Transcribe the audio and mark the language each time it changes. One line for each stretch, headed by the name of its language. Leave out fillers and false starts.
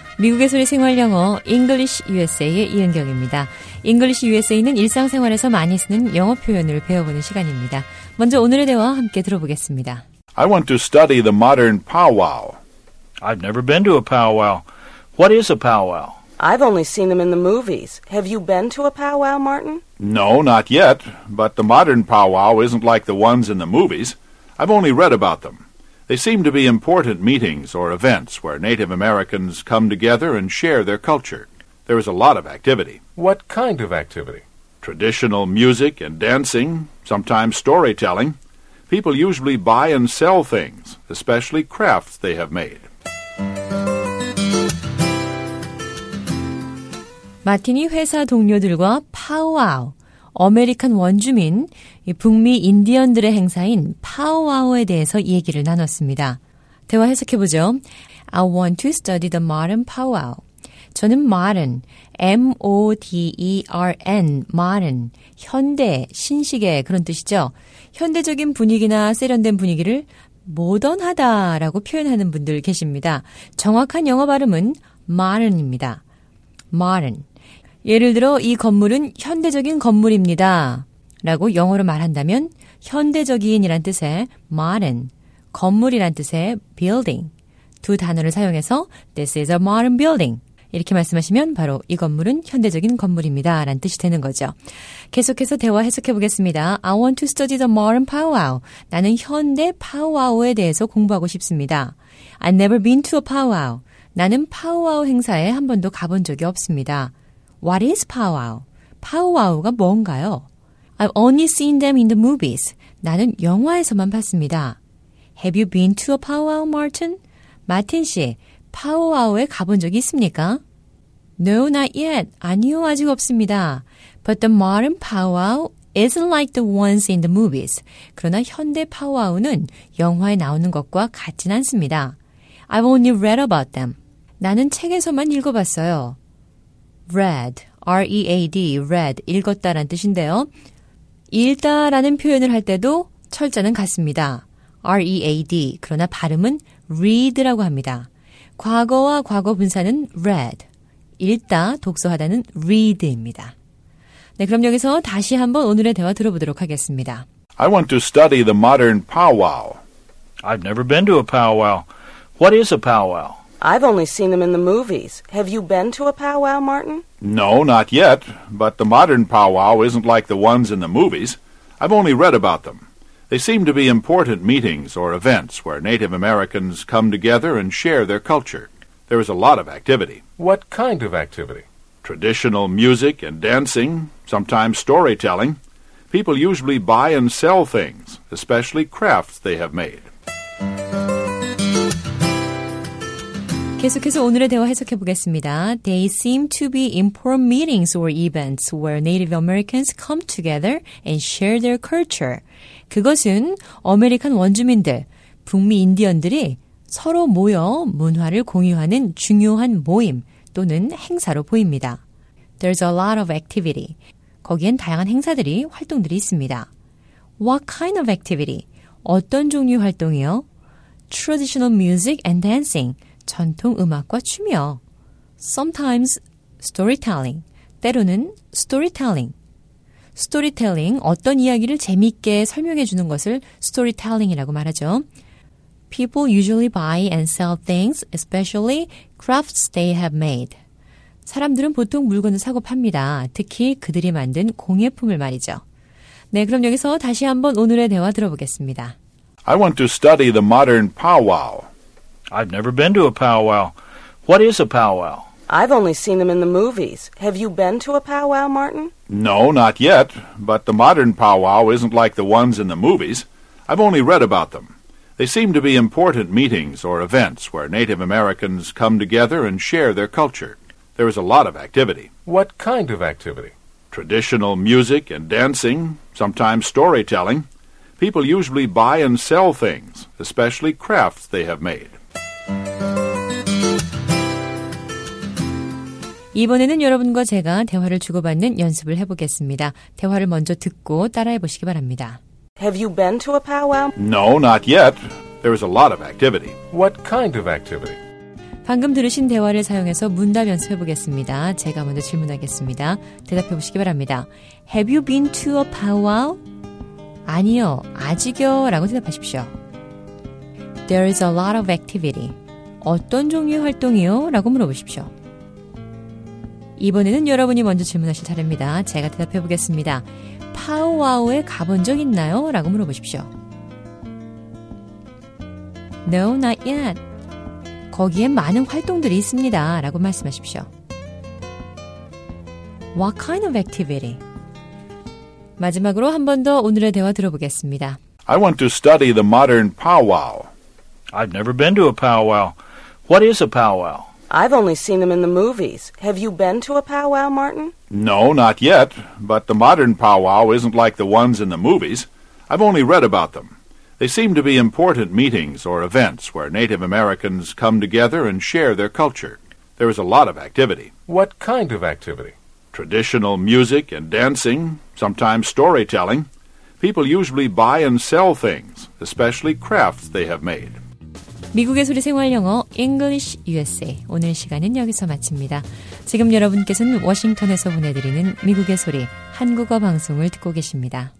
Korean: 미국의 소리 생활영어 English USA의 이은경입니다. English USA는 일상생활에서 많이 쓰는 영어 표현을 배워보는 시간입니다. 먼저 오늘의 대화 함께 들어보겠습니다.
English: I want to study the modern powwow. I've never been to a powwow. What is a powwow? I've only seen them in the movies. Have you been to a powwow, Martin? No, not yet. But the modern powwow isn't like the ones in the movies. I've only read about them. They seem to be important meetings or events where Native Americans come together and share their culture. There is a lot of activity. What kind of activity? Traditional music and dancing, sometimes storytelling. People usually buy and sell things, especially crafts they have made.
Korean: 마틴이 회사 동료들과 파우와우, 아메리칸 원주민, 북미 인디언들의 행사인 파우와우에 대해서 얘기를 나눴습니다. 대화 해석해보죠.
English: I want to study the modern powwow.
Korean: 저는 modern, M-O-D-E-R-N, modern, 현대, 신식의 그런 뜻이죠. 현대적인 분위기나 세련된 분위기를 모던하다라고 표현하는 분들 계십니다. 정확한 영어 발음은 modern입니다.
English: modern.
Korean: 예를 들어 이 건물은 현대적인 건물입니다 라고 영어로 말한다면 현대적인이란 뜻의 modern, 건물이란 뜻의 building 두 단어를 사용해서
English: This is a modern building
Korean: 이렇게 말씀하시면 바로 이 건물은 현대적인 건물입니다 라는 뜻이 되는 거죠. 계속해서 대화 해석해 보겠습니다.
English: I want to study the modern powwow.
Korean: 나는 현대 파우와우에 대해서 공부하고 싶습니다.
English: I've never been to a powwow.
Korean: 나는 파우와우 행사에 한 번도 가본 적이 없습니다.
English: What is powwow?
Korean: Powwow가 뭔가요?
English: I've only seen them in the movies.
Korean: 나는 영화에서만 봤습니다.
English: Have you been to a powwow, Martin?
Korean: 마틴 씨, 파우와우에 가본 적이 있습니까?
English: No, not yet.
Korean: 아니요, 아직 없습니다.
English: But the modern powwow isn't like the ones in the movies.
Korean: 그러나 현대 파우와우는 영화에 나오는 것과 같진 않습니다.
English: I've only read about them.
Korean: 나는 책에서만 읽어봤어요. Read, R-E-A-D, read, 읽었다라는 뜻인데요. 읽다라는 표현을 할 때도 철자는 같습니다. R-E-A-D, 그러나 발음은 read라고 합니다. 과거와 과거 분사는 read, 읽다, 독서하다는 read입니다. 네, 그럼 여기서 다시 한번 오늘의 대화 들어보도록 하겠습니다.
English: I want to study the modern powwow. I've never been to a powwow. What is a powwow? I've only seen them in the movies. Have you been to a powwow, Martin? No, not yet. But the modern powwow isn't like the ones in the movies. I've only read about them. They seem to be important meetings or events where Native Americans come together and share their culture. There is a lot of activity. What kind of activity? Traditional music and dancing, sometimes storytelling. People usually buy and sell things, especially crafts they have made.
Korean: 계속해서 오늘의 대화 해석해 보겠습니다.
English: They seem to be important meetings or events where Native Americans come together and share their culture.
Korean: 그것은 아메리칸 원주민들, 북미 인디언들이 서로 모여 문화를 공유하는 중요한 모임 또는 행사로 보입니다.
English: There's a lot of activity.
Korean: 거기엔 다양한 행사들이, 활동들이 있습니다.
English: What kind of activity?
Korean: 어떤 종류 활동이요?
English: Traditional music and dancing.
Korean: 전통 음악과 춤이요.
English: Sometimes storytelling. 때로는 storytelling.
Korean: Storytelling, 어떤 이야기를 재미있게 설명해 주는 것을 storytelling이라고 말하죠.
English: People usually buy and sell things, especially crafts they have made.
Korean: 사람들은 보통 물건을 사고 팝니다. 특히 그들이 만든 공예품을 말이죠. 네, 그럼 여기서 다시 한번 오늘의 대화 들어보겠습니다.
English: I want to study the modern powwow. I've never been to a powwow. What is a powwow? I've only seen them in the movies. Have you been to a powwow, Martin? No, not yet. But the modern powwow isn't like the ones in the movies. I've only read about them. They seem to be important meetings or events where Native Americans come together and share their culture. There is a lot of activity. What kind of activity? Traditional music and dancing, sometimes storytelling. People usually buy and sell things, especially crafts they have made.
Korean: 이번에는 여러분과 제가 대화를 주고받는 연습을 해보겠습니다. 대화를 먼저 듣고 따라해보시기 바랍니다.
English: Have you been to a powwow? No, not yet. There is a lot of activity. What kind of activity?
Korean: 방금 들으신 대화를 사용해서 문답 연습해 보겠습니다. 제가 먼저 질문하겠습니다. 대답해 보시기 바랍니다.
English: Have you been to a powwow?
Korean: 아니요, 아직요 라고 대답하십시오.
English: There is a lot of activity.
Korean: 어떤 종류의 활동이요? 라고 물어보십시오. 이번에는 여러분이 먼저 질문하실 차례입니다. 제가 대답해 보겠습니다. 파우와우에 가본 적 있나요? 라고 물어보십시오.
English: No, not yet.
Korean: 거기엔 많은 활동들이 있습니다. 라고 말씀하십시오.
English: What kind of activity?
Korean: 마지막으로 한 번 더 오늘의 대화 들어보겠습니다.
English: I want to study the modern powwow. I've never been to a powwow. What is a powwow? I've only seen them in the movies. Have you been to a powwow, Martin? No, not yet. But the modern powwow isn't like the ones in the movies. I've only read about them. They seem to be important meetings or events where Native Americans come together and share their culture. There is a lot of activity. What kind of activity? Traditional music and dancing, sometimes storytelling. People usually buy and sell things, especially crafts they have made.
Korean: 미국의 소리 생활 영어 English USA 오늘 시간은 여기서 마칩니다. 지금 여러분께서는 워싱턴에서 보내드리는 미국의 소리 한국어 방송을 듣고 계십니다.